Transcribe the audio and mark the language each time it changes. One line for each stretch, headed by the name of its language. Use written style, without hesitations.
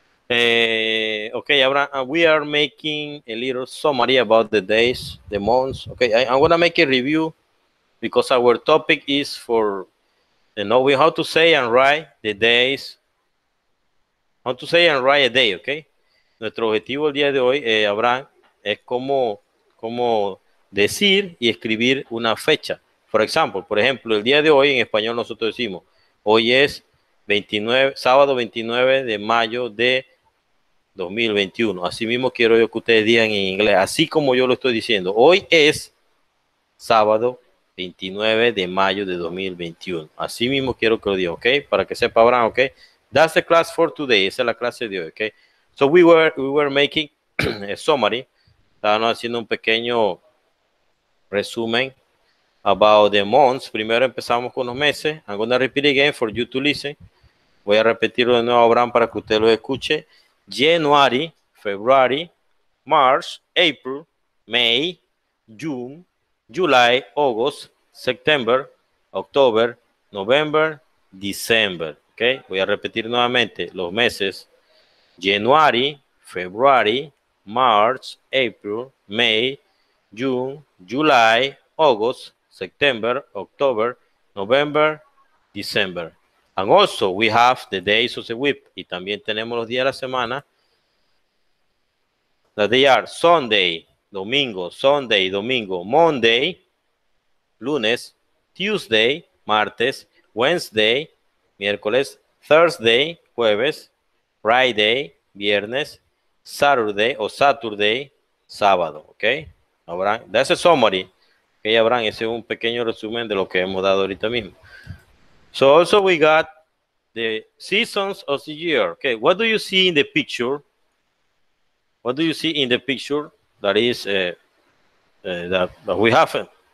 English: Okay, Abraham, we are making a little summary about the days, the months. Okay, I'm gonna make a review because our topic is for knowing how to say and write the days. How to say and write a day, okay?
Spanish: Nuestro objetivo el día de hoy, Abraham, es cómo decir y escribir una fecha. Por ejemplo, el día de hoy en español nosotros decimos, hoy es sábado 29 de mayo de 2021. Así mismo quiero yo que ustedes digan en inglés, así como yo lo estoy diciendo. Hoy es sábado 29 de mayo de 2021. Así mismo quiero que lo diga, ¿ok? Para que sepa Abraham, ¿ok?
English: That's the class for today.
Spanish: Esa es la clase de hoy, ¿ok?
English: So we were making a summary.
Spanish: Estábamos haciendo un pequeño resumen
English: about the months.
Spanish: Primero empezamos con los meses.
English: I'm going to repeat again for you to listen.
Spanish: Voy a repetirlo de nuevo, Abraham, para que usted lo escuche.
English: January, February, March, April, May, June, July, August, September, October, November, December.
Spanish: Okay, voy a repetir nuevamente los meses.
English: January, February, March, April, May, June, July, August, September, October, November, December. And also, we have the days of the week.
Spanish: Y también tenemos los días de la semana.
English: That they are Sunday, domingo, Monday, lunes, Tuesday, martes, Wednesday, miércoles, Thursday, jueves, Friday, viernes, Saturday, o Saturday, sábado. Okay? Abraham, that's a summary.
Spanish: Okay, Abraham, ese es un pequeño resumen de lo que hemos dado ahorita mismo.
English: So, also, we got the seasons of the year. Okay, what do you see in the picture? What do you see in the picture that is that we have?